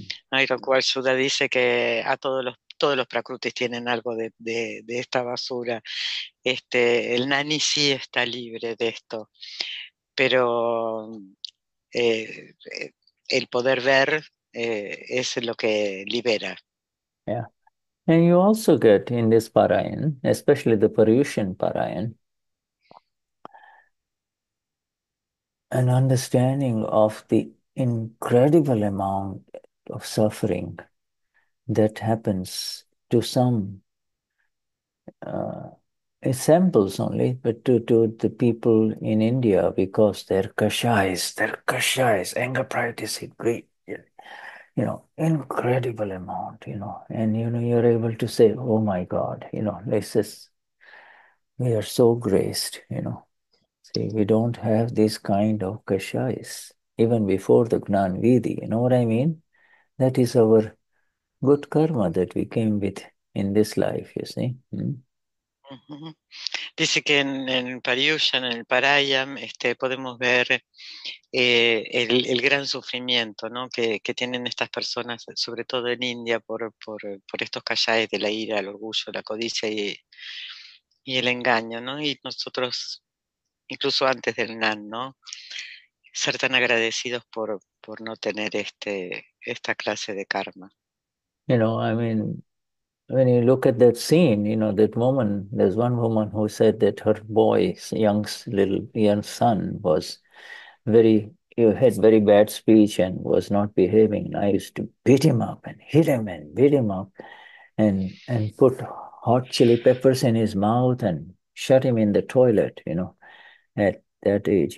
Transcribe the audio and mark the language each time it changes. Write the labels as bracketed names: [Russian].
[Spanish] ¿No? Y lo cual Shuddha dice que a todos los prakrutis tienen algo de esta basura. El nani sí está libre de esto, pero el poder ver es lo que libera. [English] Yeah. And you also get in this Parayan, especially the Parayushan Parayan, an understanding of the incredible amount of suffering that happens to some, samples only, but to the people in India, because their kashais, anger, pride, is great. You know, incredible amount, you know. And, you know, you're able to say, oh, my God, you know, this is, we are so graced, you know. See, we don't have this kind of kashais, even before the Gnan Vidhi, you know what I mean? That is our good karma that we came with in this life, you see. [Spanish] Dice que en Pariyushan, en el Parayam, podemos ver el gran sufrimiento, ¿no? que tienen estas personas, sobre todo en India, por estos kashais de la ira, el orgullo, la codicia y el engaño, ¿no? Y nosotros, incluso antes del Nan, ¿no? Ser tan agradecidos por no tener esta clase de karma. [English] You know, I mean, when you look at that scene, you know, that woman, there's one woman who said that her boy's young son was had very bad speech and was not behaving. I used to beat him up and hit him and beat him up and put hot chili peppers in his mouth and shut him in the toilet, you know, at that age.